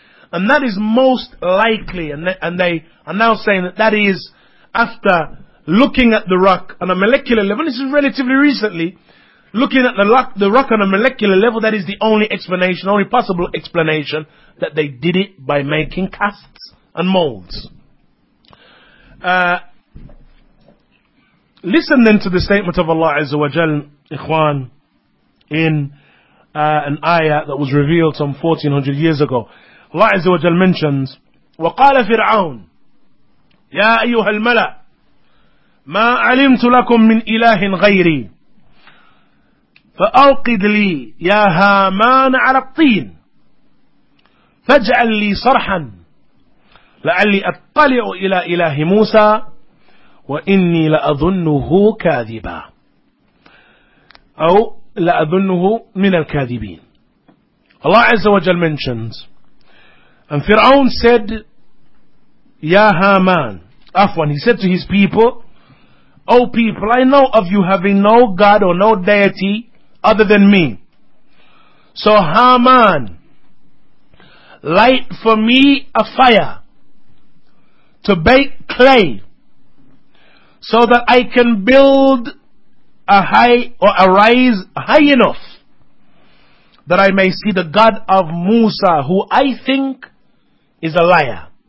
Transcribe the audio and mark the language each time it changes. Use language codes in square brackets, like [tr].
[en] And that is most likely, and they are now saying that is, after looking at the rock on a molecular level, this is relatively recently, looking at the rock on a molecular level, that is the only explanation, only possible explanation, that they did it by making casts and molds. Listen then to the statement of Allah Azza wa Jal, Ikhwan, in an ayah that was revealed some 1400 years ago. Allah Azza wa Jal mentions, [ar] وَقَالَ فِرْعَوْنُ يَا أَيُّهَا الْمَلَأُ مَا عَلِمْتُ لَكُمْ مِنْ إِلَهٍ غَيْرِي فَأَوْقِدْ لِي يَا هَامَانَ عَلَى الطِّينِ فَاجْعَلْ لِي صَرْحًا لَعَلِّي أَطَّلِعُ إِلَى إِلَهِ مُوسَى وَإِنِّي لَأَظُنُّهُ كَاذِبًا أَوْ لَأَظُنُّهُ مِنَ الْكَاذِبِينَ. [en] Allah Azza wa Jal mentions, and Fir'aun said, Ya Haman, Afwan, he said to his people, O people, I know of you having no God or no deity other than me. So Haman, light for me a fire to bake clay so that I can build a high or a rise high enough that I may see the God of Musa, who I think is a liar.